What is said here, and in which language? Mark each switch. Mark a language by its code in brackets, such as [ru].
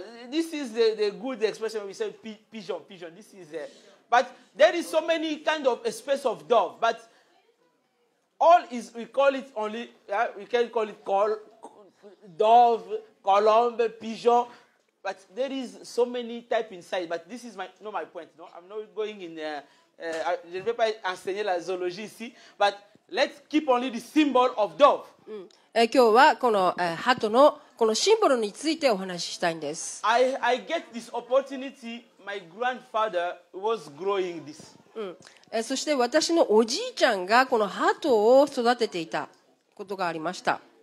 [en] This is the good expression we say pigeon. This is but there is so many kind of space of dove, but all is we call it only, we can call it dove. Colombe, pigeon, but there is so many types inside. But this is not my point. No, I'm not going in there. [fr] Je ne vais pas enseigner la zoologie ici. [en] But let's keep only the symbol of dove. [ja] 今日はこの鳩のこのシンボルについてお話ししたいんです。 [en] I get this opportunity. My grandfather was growing this. [ja] そして私のおじいちゃんがこの鳩を育てていたことがありました。